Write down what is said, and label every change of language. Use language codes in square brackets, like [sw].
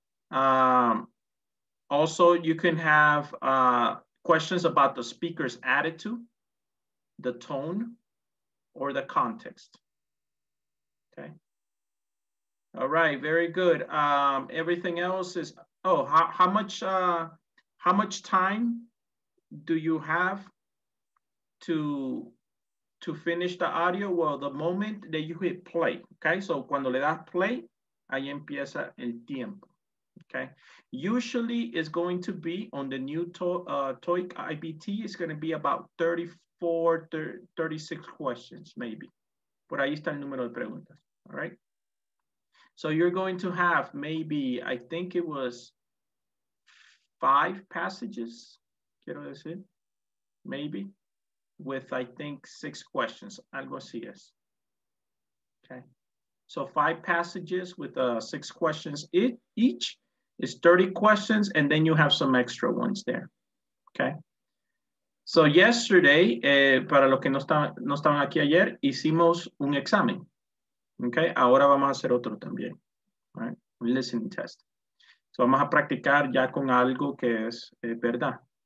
[en] Also, you can have questions about the speaker's attitude, the tone, or the context. Okay. All right. Very good. Everything else is, how much time do you have to finish the audio? Well, the moment that you hit play, okay? [es] So cuando le das play, ahí empieza el tiempo, okay? [en] Usually it's going to be on the new TOEIC IBT, it's gonna be about 36 questions, maybe. [es] Por ahí está el número de preguntas, all right? [en] So you're going to have maybe, I think it was, 5 passages, [es] quiero decir, [en] maybe, with I think 6 questions, [es] algo así es. [en] Okay, so 5 passages with 6 questions each is 30 questions, and then you have some extra ones there. Okay, so yesterday, [es] para los que no estaban aquí ayer, hicimos un examen. Okay, ahora vamos a hacer otro también, right? Un listening test. So vamos a practicar ya con algo que es verdad.